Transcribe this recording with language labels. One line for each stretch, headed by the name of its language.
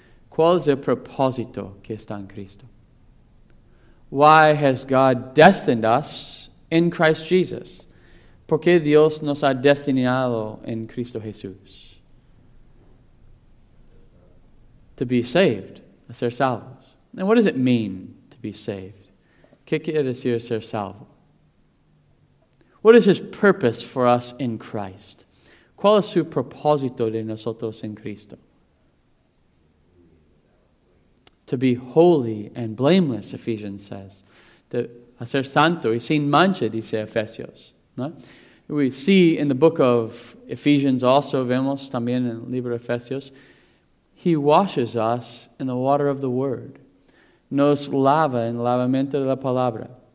Spanish: ¿Cuál es el propósito que está en Cristo?
English: Why has God destined us in Christ Jesus?
Spanish: ¿Por qué Dios nos ha destinado en Cristo Jesús?
English: To be saved,
Spanish: a ser salvos.
English: And what does it mean to be saved?
Spanish: ¿Qué quiere decir ser salvo?
English: What is his purpose for us in Christ?
Spanish: ¿Cuál es su propósito de nosotros en Cristo?
English: To be holy and blameless, Ephesians says.
Spanish: A ser santo y sin mancha, dice Efesios.
English: ¿No? We see in the book of Ephesians also,
Spanish: vemos también en el libro de Efesios,
English: he washes us in the water of the word.
Spanish: Nos lava en el lavamiento de la palabra.